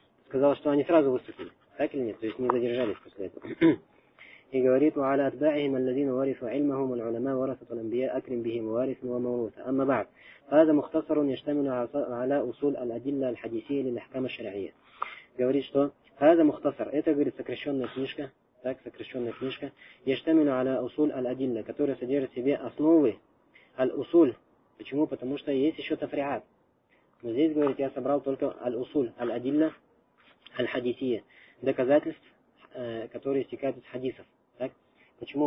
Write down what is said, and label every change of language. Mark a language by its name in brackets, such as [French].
[Russian] Сказал, что они сразу выступили. Так или нет? То есть не задержались после этого. И говорит, [Arabic] وَعَلَىٰ أَتْبَعِهِمْ الَّذِينَ وَارِثُوا عِلْمَهُمْ وَالْعُلَمَا وَرَثَةُ الْأَنْبِيَاءِ أَكْرِمْ بِهِمْ وَارِثٌ وَمَوْرُوثٌ أَمَّا بَعْدْ فَهَذَا مُخْتَصَرٌ يَشْتَمِلُ عَلَىٰ أُصُولِ الْأَدِلَّةِ الْحَدِيثِيَةِ لِلْأَحْكَامِ الشَّرْعِيَّةِ [Russian] Говорит, что [Arabic] هذا مختصر. [Russian] Это, говорит, сокращенная книжка. Так, сокращенная книжка. [Arabic] يَشْتَمِلُ عَلَىٰ أُصُولِ الْأَدِلَّةِ [Russian] которая содержит в себе основы. [Arabic] الْأُصُولِ. [Russian] Почему? Потому что есть еще тафриат. Но здесь, говорит, я собрал только аль-усуль, аль-адилля, аль-хадисия, доказательств, которые истекают из хадисов. Так? Почему?